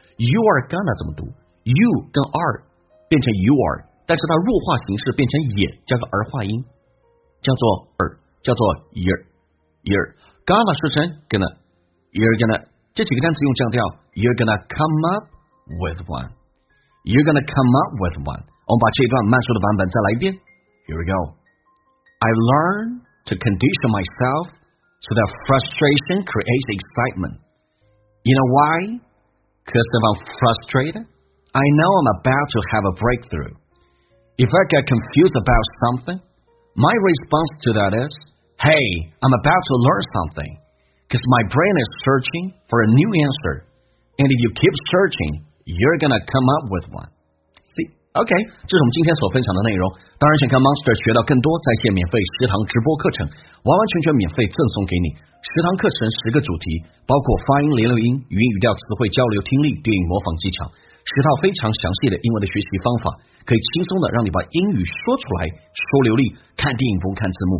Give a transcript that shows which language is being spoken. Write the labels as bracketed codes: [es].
[en] You are gonna [zh] 怎么读， You 跟 are 变成 you are， 但是它弱化形式变成也，加个儿化音，叫做儿，叫做 you're， you're gonna 说成 gonna， You're gonna，这几个单词用降调 [en] You're gonna come up with one， [zh] You're gonna come up with one。我们把这一段慢速的版本再来一遍。 [en] Here we go。 I learned to condition myself so that frustration creates excitement。 You know why? Because if I'm frustrated, I know I'm about to have a breakthrough。 If I get confused about something, my response to that is, Hey, I'm about to learn something。 Because my brain is searching for a new answer. And if you keep searching, you're going to come up with one. See? [zh] OK, 这是我们今天所分享的内容。当然想跟 Monster 学到更多在线免费食堂直播课程，完完全全免费赠送给你。食堂课程十个主题，包括发音、连留音、语音语调、词汇交流、听力、电影模仿技巧，十套非常详细的英文的学习方法，可以轻松的让你把英语说出来，说流利，看电影不用看字幕。